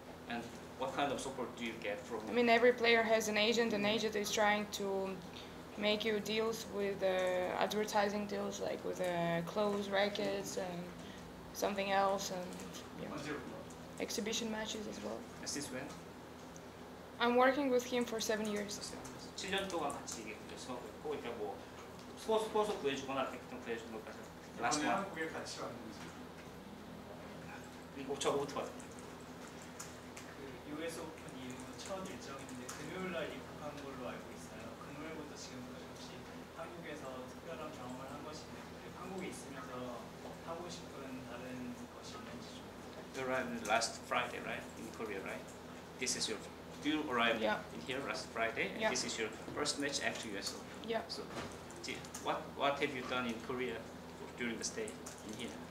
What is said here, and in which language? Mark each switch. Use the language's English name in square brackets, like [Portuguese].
[English] And what kind of support do you get from him? I mean, every player has an agent, and agent is trying to make you deals with advertising deals, like with clothes, rackets, and something else, and yeah, exhibition matches as well. And since when? I'm working with him for 7 years. [Korean] 7년 동안 같이 서고 있고 뭐 스포츠 구해주거나 어떤 구해주는 것까지. 그러면 한국에 같이 왔는지. 이거 저부터 왔어요. US 오픈 이후 첫 일정인데 금요일 날 입국한 걸로 알고 있어요. 금요일부터 지금까지 혹시 한국에서 특별한 경험을 한 것이 있는지, 한국에 있으면서 하고 싶은 다른 것이 있는지 좀. [English] You arrived last Friday, right? In Korea, right? This is your, you arrived in here last Friday, and this is your first match after US Open. Yeah. So, what have you done in Korea during the stay in here?